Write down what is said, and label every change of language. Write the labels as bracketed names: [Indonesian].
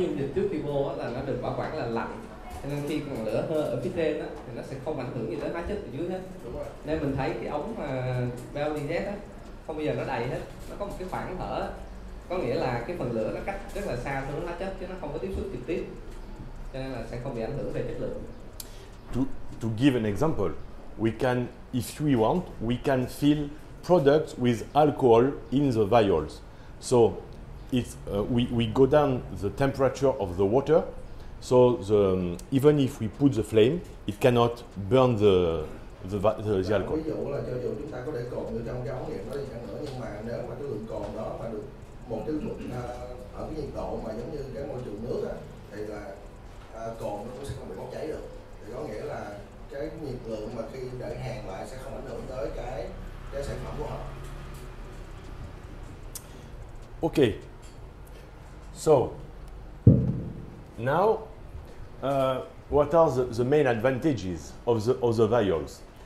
[Vietnamese] Dung dịch trước khi vô á là nó được bảo quản là lạnh, cho nên khi còn lửa hơ ở phía trên á thì nó sẽ không ảnh hưởng gì tới hóa chất ở dưới hết. Đúng rồi. Nên mình thấy cái ống mà Belvedere á không bao giờ nó đầy hết, nó có một cái khoảng thở, có nghĩa là cái phần lửa nó cách rất là xa so với hóa chất chứ nó không có tiếp xúc trực tiếp, cho nên là sẽ không bị ảnh hưởng về chất lượng. [English] To give an example, we can, if we want, we can fill products with alcohol in the vials. So it's we go down the temperature of the water, so the even if we put the flame, it cannot burn the alcohol. [Vietnamese] Ví dụ là cho dù chúng ta có để cồn như trong cái ống nghiệm đó chẳng nữa, nhưng mà nếu mà cái lượng cồn đó mà được một cái lượng ở cái nhiệt độ mà giống như cái môi trường nước á, thì là cồn nó cũng sẽ không bị bốc cháy được. Thì có nghĩa là cái nhiệt lượng mà khi để hàng lại sẽ không ảnh hưởng tới cái sản phẩm của họ. [English] Okay, so now what are the main advantages of the other vials?